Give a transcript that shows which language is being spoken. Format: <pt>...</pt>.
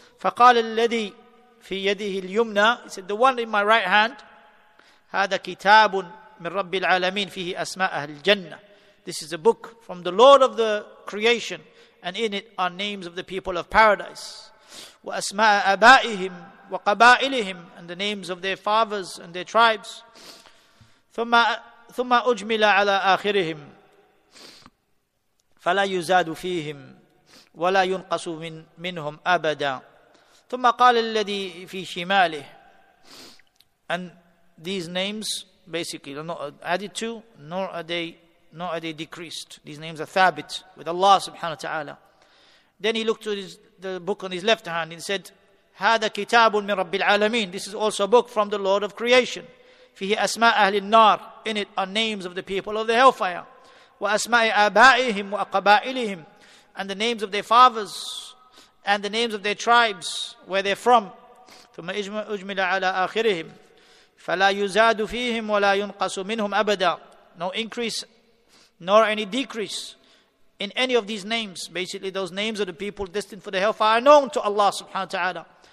<ar>فَقَالَ الَّذِي فِي يَدِهِ الْيُمْنَى,</ar> <en>he said, the one in my right hand,</en> <ar>هَذَا كِتَابٌ مِنْ رَبِّ الْعَالَمِينَ فِيهِ أَسْمَاءَ الْجَنَّةِ,</ar> <en>this is a book from the Lord of the creation, and in it are names of the people of paradise.</en> <ar>وَأَسْمَاءَ أَبَائِهِمْ وَقَبَائِلِهِمْ,</ar> <en>and the names of their fathers and their tribes.</en> <ar>ثُمَّ أُجْمِلَ عَلَى آخِرِهِمْ فلا يزاد فيهم ولا ينقص منهم أبدا. ثم قال الذي في شماله,</ar> <en>and these names basically are not added to, nor are they decreased. These names are ثابت with Allah subhanahu wa ta'ala. Then he looked to the book on his left hand and said,</en> <ar>هذا كتاب من رب العالمين,</ar> <en>this is also a book from the Lord of creation.</en> <ar>فيه أسماء أهل النار,</ar> <en>in it are names of the people of the hellfire.</en> <ar>وَأَسْمَاءِ أَبَائِهِمْ وَأَقَبَائِلِهِمْ,</ar> <en>and the names of their fathers and the names of their tribes where they're from.</en> <ar>ثُمَّ أُجْمِلَ عَلَىٰ آخِرِهِمْ فَلَا يُزَادُ فِيهِمْ وَلَا يُنْقَصُ مِنْهُمْ أَبَدًا,</ar> <en>no increase nor any decrease in any of these names. Basically, those names of the people destined for the hellfire are known to Allah subhanahu wa ta'ala.</en>